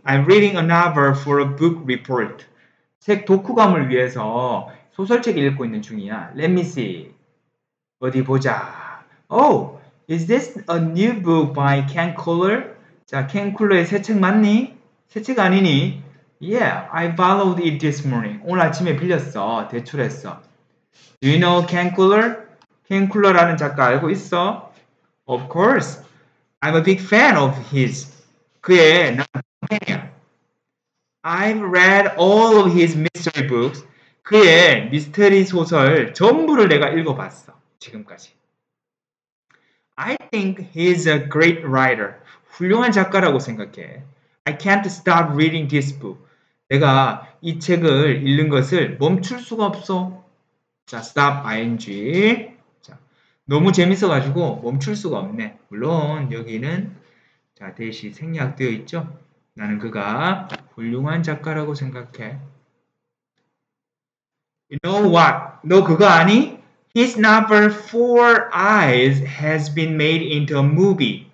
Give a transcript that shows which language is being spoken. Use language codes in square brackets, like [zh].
[en] I'm reading a novel for a book report. [ko] 책 독후감을 위해서 소설책 읽고 있는 중이야. [en] Let me see. [ko] 어디 보자. [en] Oh, is this a new book by Ken Coller? [ko] 자, Ken Coller의 새책 맞니? 새책 아니니? [en] Yeah, I borrowed it this morning. [ko] 오늘 아침에 빌렸어. 대출했어. [en] Do you know Ken Coller? [ko] Ken Coller라는 작가 알고 있어? [en] Of course. I'm a big fan of his. [ko] 그의 난 팬이야. [en] I've read all of his mystery books. [ko] 그의 미스터리 소설 전부를 내가 읽어봤어. 지금까지. [en] I think he's a great writer. [ko] 훌륭한 작가라고 생각해. [en] I can't stop reading this book. [ko] 내가 이 책을 읽는 것을 멈출 수가 없어. [en] 자, stop ing. [ko] 자, 너무 재밌어가지고 멈출 수가 없네. 물론 여기는 자, 대시 생략되어 있죠. 나는 그가 훌륭한 작가라고 생각해. [en] You know what? [ko] 너 그거 아니? [en] His novel Four Eyes has been made into a movie.